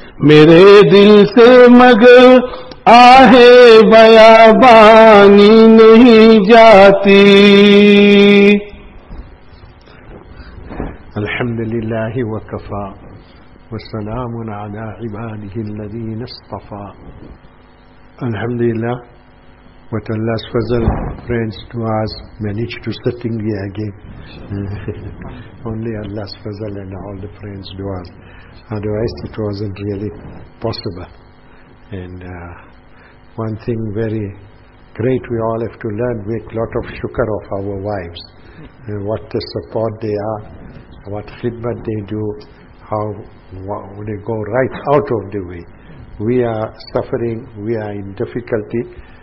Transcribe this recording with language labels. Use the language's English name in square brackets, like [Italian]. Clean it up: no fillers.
[Urdu] میرے دل سے مگر آہ بیابانی نہیں جاتی. [Arabic] الحمدللہ وکفا والسلام على عباده الذين اصطفى. [English] الحمد لله with Allah's fazal, friends, to us managed to sitting here again. Only Allah's fazal and all the friends to us, otherwise it wasn't really possible. And one thing very great we all have to learn, make lot of shukar of our wives, what the support they are, what khidmat they do, how they go right out of the way. We are suffering, we are in difficulty,